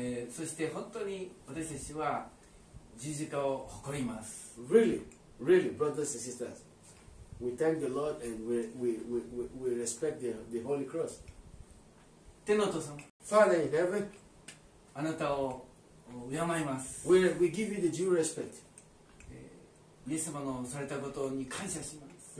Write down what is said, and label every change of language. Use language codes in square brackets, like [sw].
[ja] そして本当に私たちは十字架を誇ります。 [en] Really, brothers and sisters. We thank the Lord and we respect the Holy Cross. [ja] 天のお父様、 [en] Father in heaven, [ja] あなたを敬います。 [en] We give you the due respect. [ja] イエス様のされたことに感謝します。